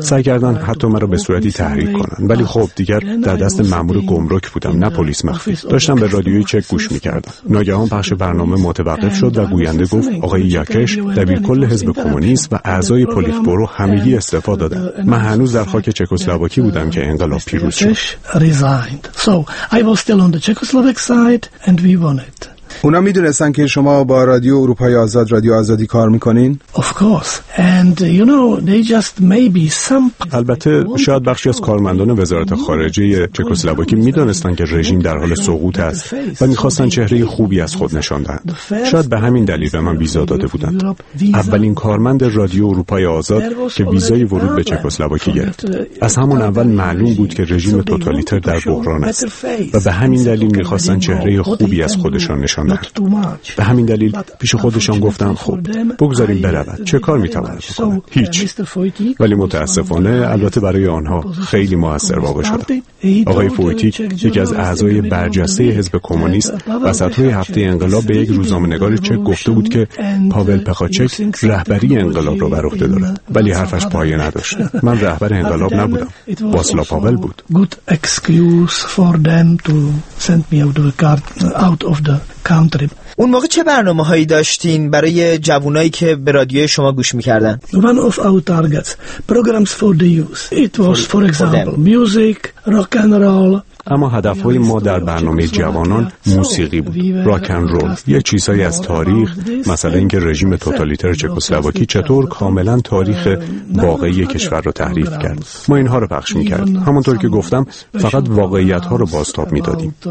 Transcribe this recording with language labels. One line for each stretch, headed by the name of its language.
Persian: سعی کردند حتی مرا به صورتی تحریک کنند. ولی خب دیگر در دست مامور گمرک بودم، نه پلیس مخفی. داشتم به رادیوی چک گوش می‌کردم. ناگهان پخش برنامه متوقف شد و گوینده گفت آقای یاکش، دبیرکل حزب کمونیست و اعضای پلیس برو همگی استعفا دادند. من هنوز در خاک چکسلواکی بودم که انقلاب پیروز شد.
English: So I was still on the Czechoslovak side and we won it.
Persian: اونا میدونستن که شما با رادیو اروپای آزاد، رادیو آزادی کار میکنین؟
English: Of course. And you know, they just maybe some.
Persian: البته شاید بخشی از کارمندان وزارت خارجه چکسلواکی میدونستن که رژیم در حال سقوط است و میخواستن چهره خوبی از خود نشان دهند. شاید به همین دلیل به من ویزا داده بودند. اولین کارمند رادیو اروپای آزاد که ویزای ورود به چکسلواکی گرفت. از همون اول معلوم بود که رژیم توتالیتر در بحران است و به همین دلیل میخواستن چهره خوبی از خودشان نشان دهند. به همین دلیل پیش خودشان گفتند خب بگذاریم برود، چه کار میتواند بکنه؟ هیچ. ولی متاسفانه البته برای آنها خیلی موثر واقع شد. آقای فویتیک یکی از اعضای برجسته حزب کمونیست وسط روی هفته انقلاب به یک روزنامه‌نگار چک گفته بود که پاول پخاچک رهبری انقلاب را بر عهده دارد، ولی حرفش پایه نداشت. من رهبر انقلاب نبودم، واسلا پاول بود.
English: Good excuse for them to send me out of the guard, out of the country.
Persian: اون موقع چه برنامه‌هایی داشتین برای جوانایی که به رادیو شما گوش می‌کردن؟
English: One of our targets, programs for the youth. It was for example music, rock and roll.
Persian: اما هدف‌های ما در برنامه جوانان موسیقی بود، راک اند رول، یه چیزایی از تاریخ، مثلا اینکه رژیم توتالیتر چکسلواکی چطور کاملا تاریخ واقعی کشور رو تحریف کرد. ما اینها رو پخش می‌کردیم. همونطور که گفتم فقط واقعیت‌ها رو بازتاب می‌دادیم.